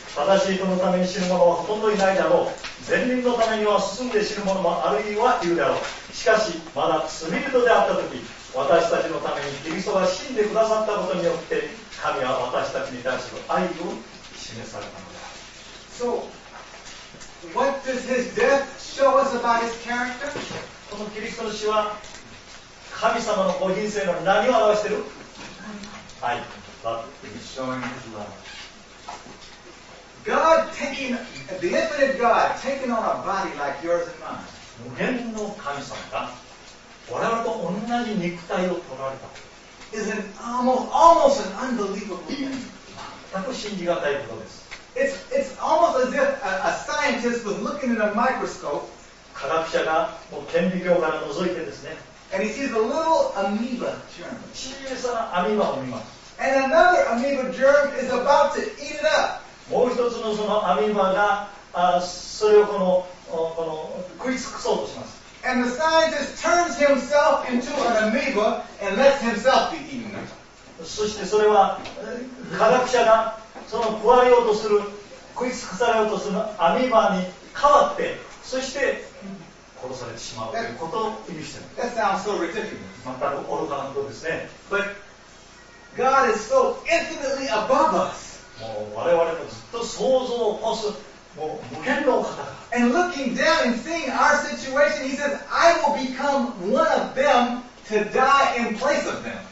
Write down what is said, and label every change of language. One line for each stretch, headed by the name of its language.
Japanese: 正しい人のために死ぬ者はほとんどいないだろう。善人のためには進んで死ぬ者もあるいはいるだろう。しかし、まだ罪人であったとき、私たちのためにキリストが死んでくださったことによって、神は私たちに対する愛を示されたのだ。
English: So, what does his death show us about his character?
Japanese: このキリストの死は神様のご品性の何を表している？はい、
English: love. He's showing his love. God taking the infinite God taking on a body like yours and mine.
Japanese: 無限の神様が我々と同じ肉体を取られた。
English: Is an almost an unbelievable thing.
Japanese: 全く信じがたいことです。
English: It's almost as if a scientist was looking in a microscope.
Japanese: 科学者がもう顕微鏡から覗いてですね。
English: And he sees a little amoeba germ.
Japanese: 小さなアミーバを見ます。
English: And another amoeba germ is about to eat it up.
Japanese: もう一つのそのアミーバがそれをこの食い尽くそうとします。
English: And the scientist turns himself into an amoeba and lets himself be eaten up.
Japanese: そしてそれは科学者がその食われようとする食い尽くされようとするアミーバに変わって。そして殺されてしまうということを意味しています
English: 。That sounds so ridiculous.
Japanese: また愚かなことですね。
English: But God is so infinitely above us.
Japanese: もう我々のずっと想像を超すもう無限の方が。
English: And looking down and seeing our situation, he says, I will become one of them to die in place of them.